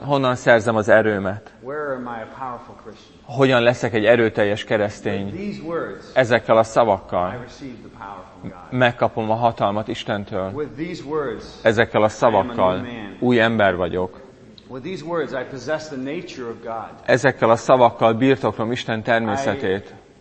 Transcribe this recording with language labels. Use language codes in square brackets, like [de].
[hu] Honnan szerzem az erőmet? [en] Where am I a powerful Christian? [hu] Hogyan leszek egy erőteljes keresztény? [en] With these words, [hu] ezekkel a szavakkal [en] I receive the power from God. [hu] Megkapom a hatalmat Istentől. [en] With these words, [hu] ezekkel a szavakkal [en] I am a new man. [hu] Új ember vagyok. [en] With these words, I possess the nature of God. [hu] Ezekkel a szavakkal birtoklom Isten természetét.